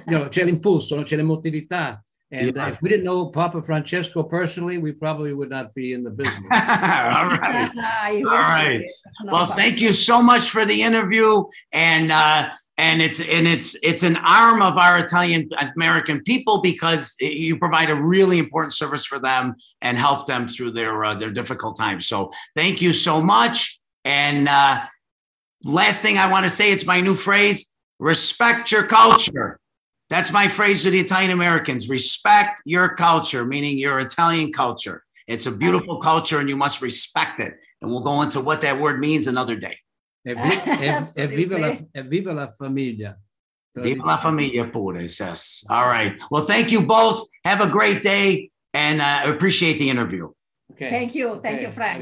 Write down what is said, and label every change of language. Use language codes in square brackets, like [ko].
[it] c'è l'impulso, c'è l'emotività. [en] And yes. If we didn't know Papa Francesco personally, we probably would not be in the business. All right. All right. Well, thank you so much for the interview. And it's an arm of our Italian American people, because you provide a really important service for them and help them through their difficult times. So thank you so much. And last thing I want to say, it's my new phrase, respect your culture. That's my phrase to the Italian Americans. Respect your culture, meaning your Italian culture. It's a beautiful culture and you must respect it. And we'll go into what that word means another day. [it] Viva la famiglia. Viva la famiglia pure, [en] yes. All right. Well, thank you both. Have a great day and appreciate the interview. Okay. Thank you. Thank you, Frank.